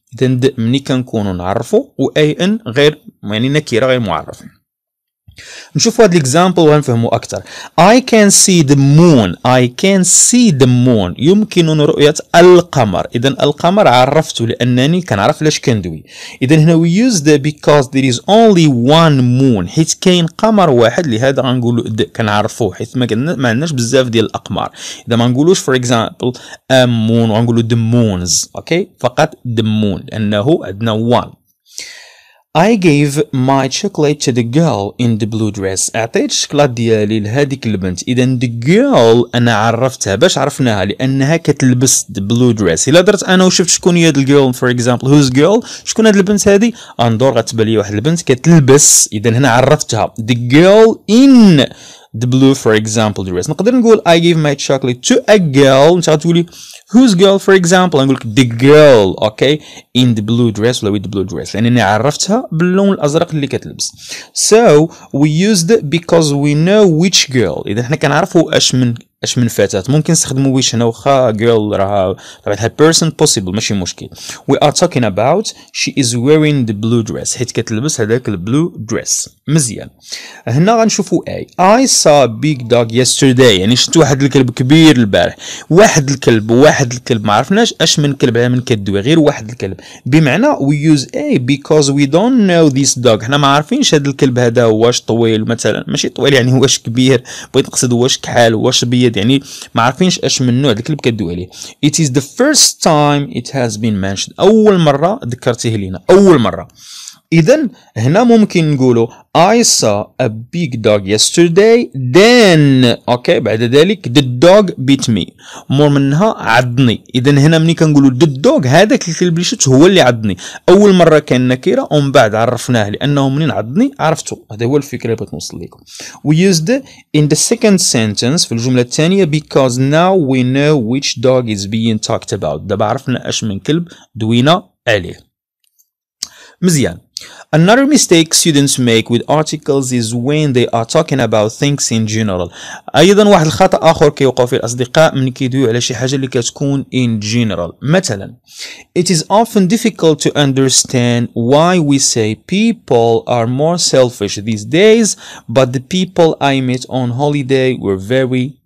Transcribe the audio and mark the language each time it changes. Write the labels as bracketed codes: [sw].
[ar] إذا د مني كنكونو نعرفو و a n غير يعني نكرة غير معرف. نشوفوا هاد الاكزامبل ونفهموا اكثر. [en] I can see the moon. I can see the moon. [ar] يمكن رؤية القمر. اذا القمر عرفته لانني كنعرف علاش كندوي. اذا هنا [en] we use the because there is only one moon. [ar] حيت كاين قمر واحد, لهذا غنقولوا كنعرفوه حيت ما عندناش بزاف ديال الاقمار. اذا ما نقولوش [en] for example a moon [ar] ونقولوا [en] the moons. [ar] اوكي فقط [en] the moon [ar] لانه عندنا one. [en] I gave my chocolate to the girl in the blue dress. [ar] أعطيت الشكلاط ديالي لهذيك البنت. إذا the girl أنا عرفتها باش عرفناها لأنها كتلبس [en] the blue dress. [ar] إلا درت أنا وشفت شكون هي the girl [en] for example whose girl, [ar] شكون هاد البنت هادي, أندور غتبان لي واحد البنت كتلبس. إذا هنا عرفتها [en] the girl in the blue for example dress. [ar] نقدر نقول [en] I gave my chocolate to a girl, [ar] نتا غتقولي [en] whose girl for example, [ar] نقولك [en] the girl okay in the blue dress ولا with the blue dress, [ar] لأنني عرفتها باللون الأزرق اللي كتلبس. [en] So we used because we know which girl. [ar] إذا إحنا كنعرفوا أش من فتاة. ممكن نستخدموا which هنا وخا girl راها طبعاً هاد person possible ماشي مشكل. [en] We are talking about she is wearing the blue dress, [ar] حيت كتلبس هذاك ال [en] blue dress. [ar] مزيان. هنا غنشوفوا [en] A. I saw a big dog yesterday. [ar] يعني شفت واحد الكلب كبير البارح. واحد الكلب ما عرفناش أش من كلب هي من كدوي, غير واحد الكلب. بمعنى [en] we use A because we don't know this dog. [ar] إحنا ما عارفينش هاد الكلب هذا واش طويل مثلاً, ماشي طويل يعني واش كبير, بغيت نقصد واش كحال واش بي, يعني ما عارفينش اش من نوع الكلب كدوي عليه. [en] It is the first time it has been mentioned. [ar] أول مرة ذكرتيه لينا, أول مرة. إذن هنا ممكن نقوله [en] I saw a big dog yesterday, then okay [ar] بعد ذلك [en] the dog bit me, [ar] مور منها عضني. إذن هنا مني كنقوله the dog, هذاك الكلب اللي شفته هو اللي عضني. أول مرة كان نكرة ومن بعد عرفناه لأنه منين عضني عرفته. هذا هو الفكرة اللي بتنوصل لكم. [en] We used in the second sentence, [ar] في الجملة الثانية, [en] because now we know which dog is being talked about. [ar] دابا عرفنا أش من كلب دوينا عليه. مزيان. [en] Another mistake students make with articles is when they are talking about things in general. [ar] أيضا واحد الخطأ آخر كيوقع في الأصدقاء من كيدوي على شي حاجة اللي كتكون [en] in general. [ar] مثلا [en] It is often difficult to understand why we say people are more selfish these days, but the people I met on holiday were very